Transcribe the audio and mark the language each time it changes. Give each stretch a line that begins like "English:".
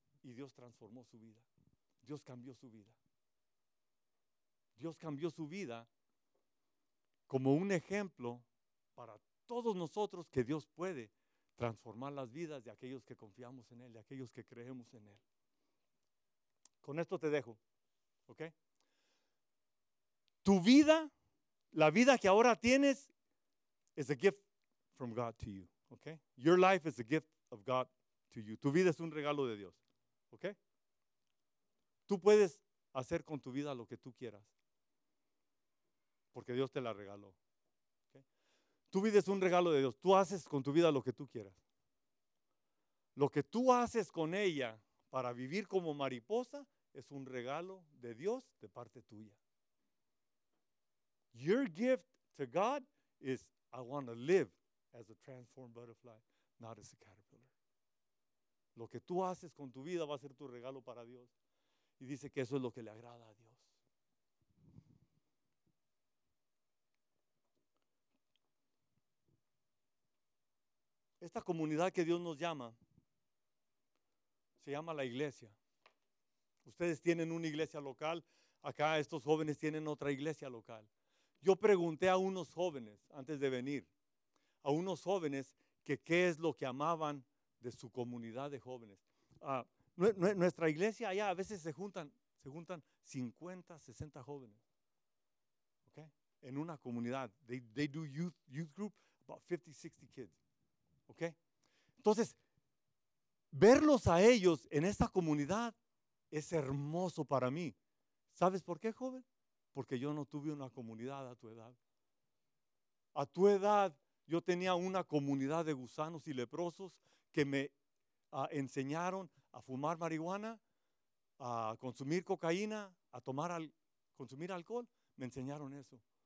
Spanish: Y Dios transformó su vida. Dios cambió su vida. Dios cambió su vida como un ejemplo para todos nosotros que Dios puede transformar las vidas de aquellos que confiamos en Él, de aquellos que creemos en Él. Con esto te dejo, ¿ok? Tu vida, la vida que ahora tienes,
English: is a gift from God to you,
Spanish: ¿ok?
English: Your life is a gift of God to you.
Spanish: Tu vida es un regalo de Dios, ¿ok? Tú puedes hacer con tu vida lo que tú quieras, porque Dios te la regaló. Tu vida es un regalo de Dios. Tú haces con tu vida lo que tú quieras. Lo que tú haces con ella para vivir como mariposa es un regalo de Dios de parte tuya.
English: Your gift to God is, I want to live as a transformed butterfly, not as a caterpillar.
Spanish: Lo que tú haces con tu vida va a ser tu regalo para Dios. Y dice que eso es lo que le agrada a Dios. Esta comunidad que Dios nos llama, se llama la iglesia. Ustedes tienen una iglesia local, acá estos jóvenes tienen otra iglesia local. Yo pregunté a unos jóvenes, antes de venir, a unos jóvenes que qué es lo que amaban de su comunidad de jóvenes. Nuestra iglesia allá a veces se juntan 50, 60 jóvenes, okay, en una comunidad.
English: They do youth group, about 50, 60 kids. Okay.
Spanish: Entonces, verlos a ellos en esta comunidad es hermoso para mí. ¿Sabes por qué, joven? Porque yo no tuve una comunidad a tu edad. A tu edad yo tenía una comunidad de gusanos y leprosos que me enseñaron a fumar marihuana, a consumir cocaína, a consumir alcohol. Me enseñaron eso.